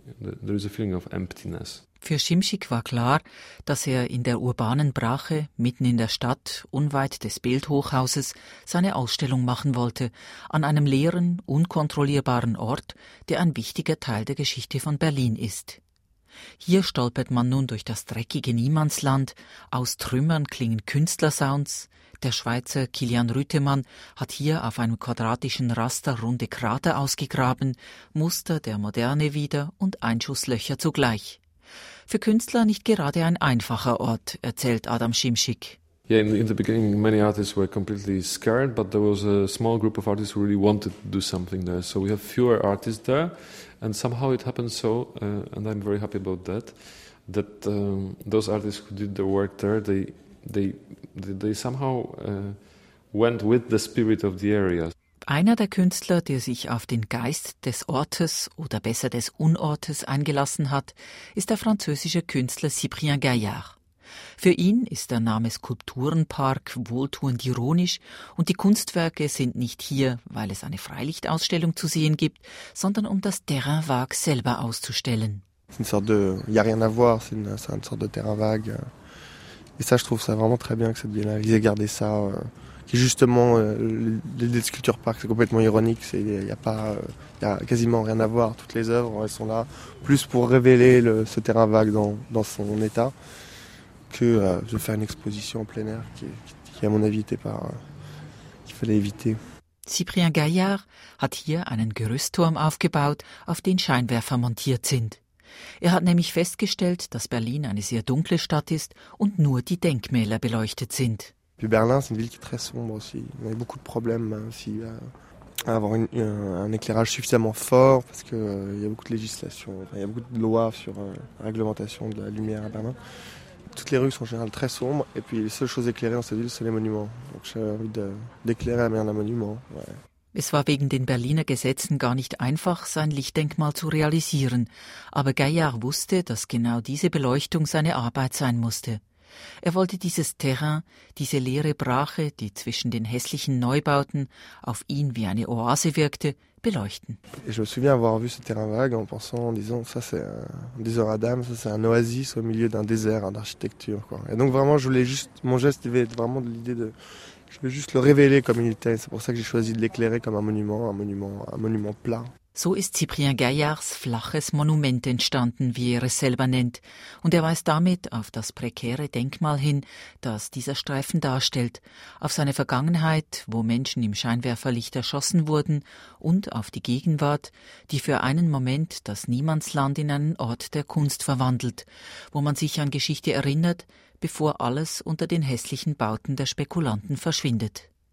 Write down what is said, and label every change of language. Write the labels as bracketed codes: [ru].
[en] There is a feeling of emptiness. [de] Für Simsik war klar, dass er in der urbanen Brache, mitten in der Stadt, unweit des Bildhochhauses, seine Ausstellung machen wollte, an einem leeren, unkontrollierbaren Ort, der ein wichtiger Teil der Geschichte von Berlin ist. Hier stolpert man nun durch das dreckige Niemandsland, aus Trümmern klingen Künstlersounds. Der Schweizer Kilian Rütemann hat hier auf einem quadratischen Raster runde Krater ausgegraben, Muster der Moderne wieder und Einschusslöcher zugleich. Für Künstler nicht gerade ein einfacher Ort, erzählt Adam Simsik. [en] Yeah, in the beginning many artists were completely scared, but there was a small group of artists who really wanted to do something there. So we have fewer artists there, and somehow it happened so, and I'm very happy about that, that those artists who did their work there, they somehow went with the spirit of the area. [de] Einer der Künstler, der sich auf den Geist des Ortes oder besser des Unortes eingelassen hat, ist der französische Künstler Cyprien Gaillard. Für ihn ist der Name Skulpturenpark wohltuend ironisch und die Kunstwerke sind nicht hier, weil es eine Freilichtausstellung zu sehen gibt, sondern um das Terrain vague selber auszustellen. [fr] C'est une sorte de, y a rien à voir, c'est une sorte de terrain vague. Et ça, je trouve ça vraiment très bien que cette biennale ait gardé ça. Qui justement l'idée de Sculpture Park, c'est complètement ironique. C'est il y a quasiment rien à voir. Toutes les œuvres, elles sont là plus pour révéler ce terrain vague dans son état que de faire une exposition en plein air qui à mon avis était pas qu'il fallait éviter. [de] Cyprien Gaillard hat hier einen Gerüstturm aufgebaut, auf den Scheinwerfer montiert sind. Er hat nämlich festgestellt, dass Berlin eine sehr dunkle Stadt ist und nur die Denkmäler beleuchtet sind. [fr] Puis Berlin, c'est une ville qui est très sombre aussi. On a eu beaucoup de problèmes aussi à avoir un éclairage suffisamment fort parce que il y a beaucoup de législation, il y a beaucoup de lois sur réglementation de la lumière à Berlin. Toutes les rues sont en général très sombres et puis les seules choses éclairées dans cette ville, c'est les monuments. Donc j'ai envie d'éclairer à Berlin un monument. Ouais. [de] Es war wegen den Berliner Gesetzen gar nicht einfach, sein Lichtdenkmal zu realisieren. Aber Gaillard wusste, dass genau diese Beleuchtung seine Arbeit sein musste. Er wollte dieses Terrain, diese leere Brache, die zwischen den hässlichen Neubauten auf ihn wie eine Oase wirkte, beleuchten. [fr] Et je me souviens avoir vu ce terrain vague en pensant, en disant à Adam, ça c'est un oasis au milieu d'un désert d'architecture. Et donc vraiment, je voulais juste, mon geste devait être vraiment de l'idée de Je veux juste le révéler comme il était. C'est pour ça que j'ai choisi de l'éclairer comme un monument plat. [de] So ist Cyprien Gaillards flaches Monument entstanden, wie er es selber nennt. Und er weist damit auf das prekäre Denkmal hin, das dieser Streifen darstellt, auf seine Vergangenheit, wo Menschen im Scheinwerferlicht erschossen wurden, und auf die Gegenwart, die für einen Moment das Niemandsland in einen Ort der Kunst verwandelt, wo man sich an Geschichte erinnert, bevor alles unter den hässlichen Bauten der Spekulanten verschwindet.